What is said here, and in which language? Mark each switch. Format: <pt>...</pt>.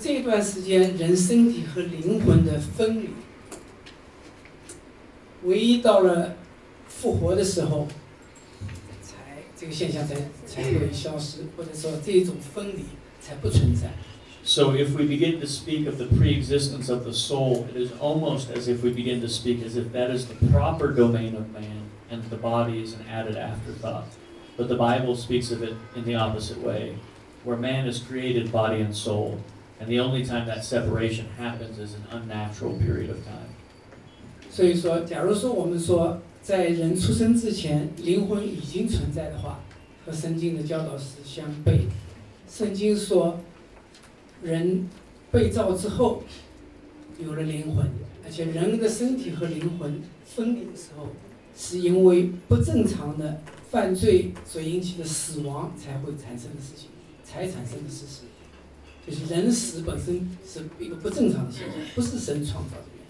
<zh>这一段时间，人身体和灵魂的分离。唯一到了复活的时候，这个现象才会消失，或者说这种分离才不存在。</zh> <en>So if we begin to speak of the pre-existence of the soul, it is almost as if we begin to speak as if that is the proper domain of man, and the body is an added afterthought. But the Bible speaks of it in the opposite way, where man is created body and soul, and the only time that separation happens is an unnatural period of time.</en> <zh>所以说，假如说我们说在人出生之前灵魂已经存在的话，和圣经的教导是相悖。圣经说，人被造之后有了灵魂，而且人的身体和灵魂分离的时候，是因为不正常的犯罪所引起的死亡才会产生的事情，才产生的事实，就是人死本身是一个不正常的现象，不是神创造的。</zh>